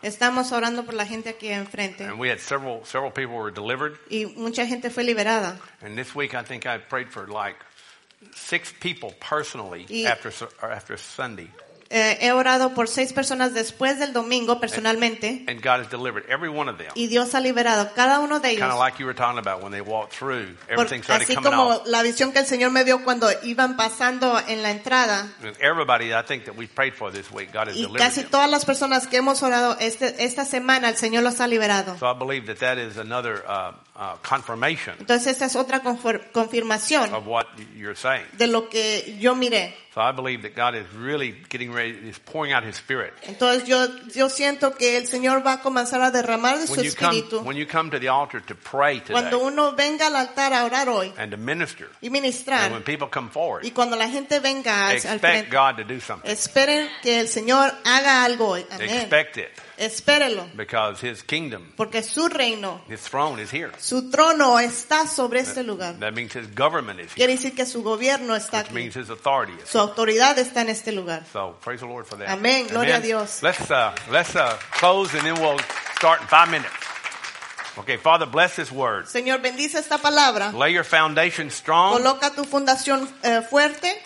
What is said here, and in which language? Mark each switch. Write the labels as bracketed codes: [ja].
[es] Estamos orando por la gente aquí enfrente. [en] And we had several people were delivered. [es] Y mucha gente fue liberada. [en] And this week, I think I prayed for like 6 people personally after Sunday. [es] He orado por 6 personas después del domingo personalmente. [en] And God has delivered every one of them. [es] Y Dios ha liberado cada uno de ellos. [en] Kind of like you were talking about when they walked through, everything started coming off. [es] Así como la visión que el Señor me dio cuando iban pasando en la entrada. [en] And everybody, I think that we prayed for this week, God has delivered them. [es] Y casi todas las personas que hemos orado esta semana, el Señor los ha liberado. [en] So I believe that is another confirmation. [es] Entonces esta es otra confirmación [en] of what you're saying. [es] De lo que yo miré. [en] So I believe that God is really getting ready, is pouring out His Spirit. [es] Entonces yo siento que el Señor va a comenzar a derramar de su Espíritu. [en] When you come to the altar to pray today. [es] Cuando uno venga al altar a orar hoy. [en] And to minister. [es] Y ministrar. [en] And when people come forward. [es] Y cuando la gente venga al frente. [en] Expect God to do something. [es] Esperen que el Señor haga algo hoy. Amén. [en] Expect it. [es] Espérelo. [en] Because His kingdom. [es] Porque su reino. [en] His throne is here. [es] Su trono está sobre este lugar. [en] That means His government is here. [es] Quiere decir que su gobierno está [en] which [es] aquí. [en] Means His authority is here. [es] Su autoridad está en este lugar. [en] So praise the Lord for that. [es] Amén. Gloria [en] Amen. [es] A Dios. [en] Let's close and then we'll start in 5 minutes. Okay, Father, bless this word. [es] Señor, bendice esta palabra. [en] Lay your foundation strong. [es] Coloca tu fundación fuerte.